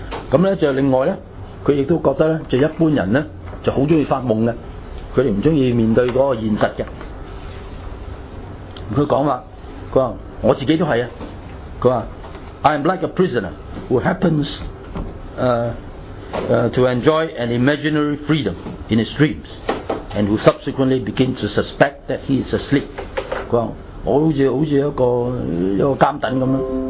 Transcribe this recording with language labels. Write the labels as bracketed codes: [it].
[yue] 咁咧就另外咧，佢亦都覺得咧，就一般人咧就好中意發夢嘅，佢哋唔中意面對嗰個現實嘅。佢講話，佢話我自己都係啊。 [en] 佢話 I am like a prisoner who happens to enjoy an imaginary freedom in his dreams, and who subsequently begins to suspect that he is asleep。 [yue] 佢話我好似一個監躉咁啦。